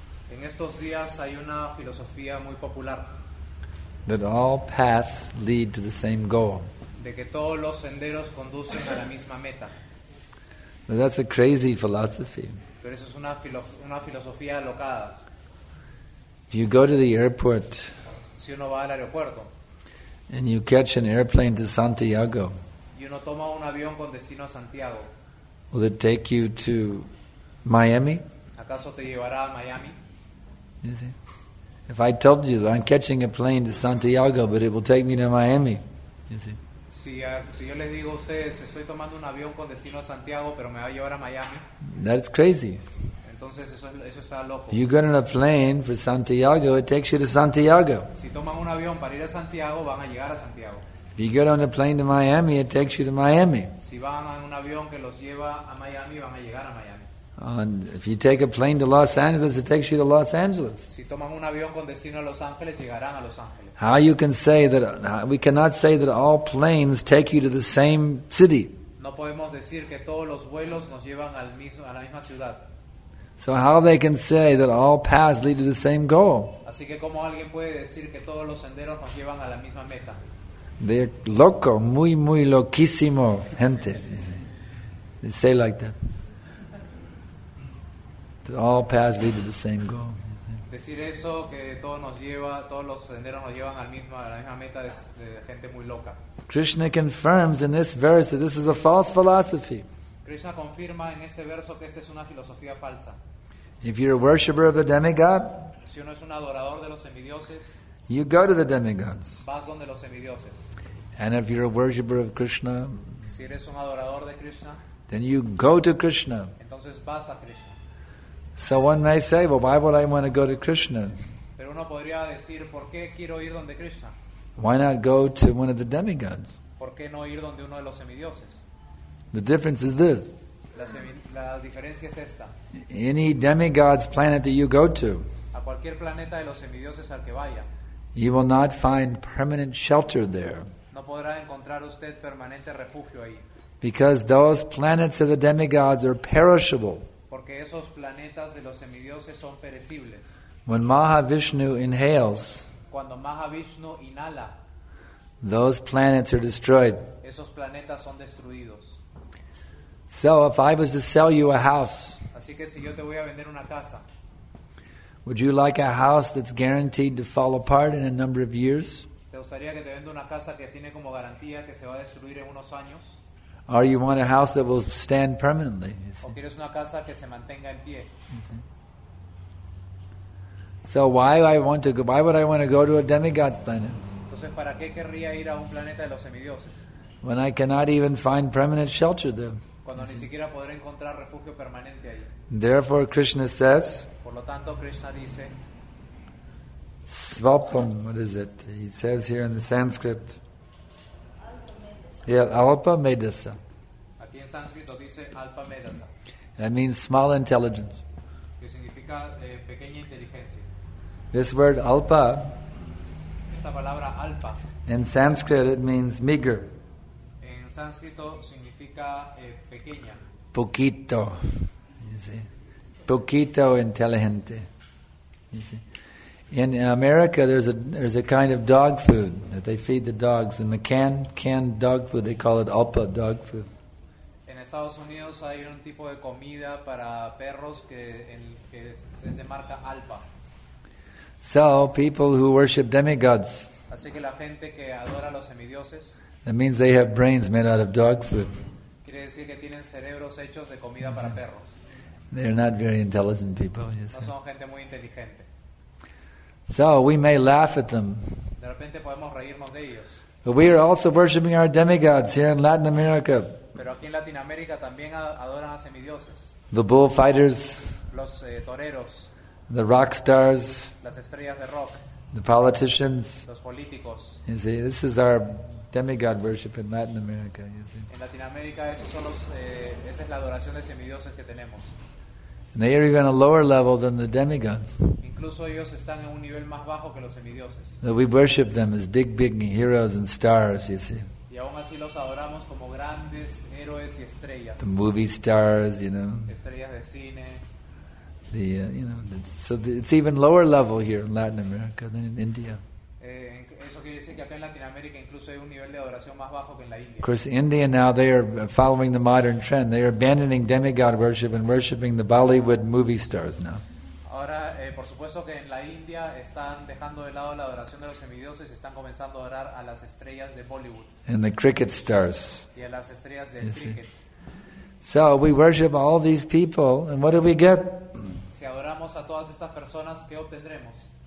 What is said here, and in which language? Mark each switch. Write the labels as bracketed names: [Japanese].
[Spanish] En estos días hay una filosofía muy popular. [English] That all paths lead to the same goal. [Spanish] De que todos los senderos conducen a la misma meta. [English] But that's a crazy philosophy. [Spanish] Pero eso es una filosofía alocada. [English] If you go to the airport, [Spanish] si uno va al aeropuerto, [English] and you catch an airplane to Santiago, [Spanish] y uno toma un avión con destino a Santiago, [English] will it take you to Miami? [Spanish] ¿Acaso te llevará a Miami? [English] You see? If I told you that I'm catching a plane to Santiago, but it will take me to Miami, you see? [Spanish] Si yo les digo a ustedes, estoy tomando un avión con destino a Santiago, pero me va a llevar a Miami. [English] That's crazy. [Spanish] Entonces eso está loco. [English] You get on a plane for Santiago, it takes you to Santiago. [Spanish] Si toman un avión para ir a Santiago, van a llegar a Santiago. [English] If you get on a plane to Miami, it takes you to Miami. [Spanish] Si van en un avión que los lleva a Miami, van a llegar a Miami. [English] And if you take a plane to Los Angeles, it takes you to Los Angeles. [Spanish] Si toman un avión con destino a Los Ángeles, llegarán a Los Ángeles. [English] How you can say that we cannot say that all planes take you to the same city? [Spanish] No podemos decir que todos los vuelos nos llevan al mismo a la misma ciudad. [English] So how they can say that all paths lead to the same goal? [Spanish] Así que cómo alguien puede decir que todos los senderos nos llevan a la misma meta? [English] They're [Spanish] loco, muy muy loquísimo gente. [English] They say like that. That all paths lead to the same goal. [Spanish] Decir eso que todo nos lleva, todos los senderos nos llevan al mismo, a la misma meta es de gente muy loca. [English] Krishna confirms in this verse that this is a false philosophy. [Spanish] Krishna confirma en este verso que esta es una filosofía falsa. [English] If you're a worshipper of the demigod, [Spanish] si uno es un adorador de los semidioses, [English] you go to the demigods. [Spanish] Vas donde los semidioses. [English] And if you're a worshipper of Krishna, [Spanish] si eres un adorador de Krishna, [English] then you go to Krishna. [Spanish] Entonces vas a Krishna. [English] So one may say, well, why would I want to go to Krishna? [Spanish] Pero uno podría decir, ¿por qué quiero ir donde Krishna? [English] Why not go to one of the demigods? [Spanish] ¿Por ¿por qué no ir donde uno de los semidioses? [English] The difference is this. [Spanish] La diferencia es esta. [English] Any demigod's planet that you go to, [Spanish] a cualquier planeta de los semidioses al que vaya, [English] you will not find permanent shelter there. [Spanish] No podrá encontrar usted permanente refugio ahí. [English] Because those planets of the demigods are perishable. [Spanish] Porque esos planetas de los semidioses son perecibles. [English] When Mahavishnu inhales, [Spanish] cuando Mahavishnu inhala, [English] those planets are destroyed. [Spanish] Esos planetas son destruidos. [English] So if I was to sell you a house, [Spanish] así que si yo te voy a vender una casa, [English] would you like a house that's guaranteed to fall apart in a number of years? [Spanish] ¿Te gustaría que te venda una casa que tiene como garantía que se va a destruir en unos años? [English] Or you want a house that will stand permanently? [Spanish] ¿O quieres una casa que se mantenga en pie? [English] So why would I want to go to a demigod's planet? [Spanish] Entonces, ¿para qué querría ir a un planeta de los semidioses? [English] When I cannot even find permanent shelter there. [Spanish] Cuando ni siquiera podré encontrar refugio permanente ahí. [English] Therefore, Krishna says. [Spanish] Por lo tanto, Krishna dice. [English] Svapam, what is it? He says here in the Sanskrit. Yeah, alpa medasa. [Spanish] Aquí en sánscrito dice alpa medasa. [English] That means small intelligence. [Spanish] Que significa pequeña inteligencia. [English] This word alpa. [Spanish] Esta palabra alpa. [English] In Sanskrit, it means meager. [Spanish] En sánscrito significa pequeña. [English] Poquito, you see. [Spanish] Poquito inteligente, [English] you see. In America, there's a kind of dog food that they feed the dogs, and the canned dog food, they call it alpa dog food. [Spanish] En Estados Unidos hay un tipo de comida para perros que se marca alpa. [English] So people who worship demigods. [Spanish] Así que la gente que adora a los semidioses. [English] That means they have brains made out of dog food. [Spanish] Quiere decir que tienen cerebros hechos de comida para perros. [English] They're not very intelligent people. [Spanish] No son gente muy inteligente. [English] So we may laugh at them. [Spanish] De repente podemos reírnos de ellos. [English] But we are also worshiping our demigods here in Latin America. [Spanish] Pero aquí en Latinoamérica también adoran a semidioses. [English] The bullfighters. [Spanish] Los toreros. [English] The rock stars. [Spanish] Las estrellas de rock. [English] The politicians. [Spanish] Los políticos. [English] You see, this is our demigod worship in Latin America. You see. [Spanish] En Latinoamérica esos son los, esa es la adoración de semidioses que tenemos. [English] And they are even a lower level than the demigods. [Spanish] Incluso ellos están en un nivel más bajo que los semidioses. [English] But we worship them as big heroes and stars, you see. [Spanish] Y aún así los adoramos como grandes héroes y estrellas. [English] The movie stars, you know. [Spanish] Estrellas de cine. [English] The you know, so it's even lower level here in Latin America than in India. [Spanish] Eso quiere decir que acá en Latinoamérica incluso hay un nivel de adoración más bajo que en la India. [English] Of course, India now, they are following the modern trend. They are abandoning demigod worship and worshiping the Bollywood movie stars now. [Spanish] Ahora, por supuesto que en la India están dejando de lado la adoración de los semidioses y están comenzando a adorar a las estrellas de Bollywood. [English] And the cricket stars. [Spanish] Y a las estrellas del cricket. [English] So we worship all these people, and what do we get? [Spanish] Si adoramos a todas estas personas, ¿qué obtendremos?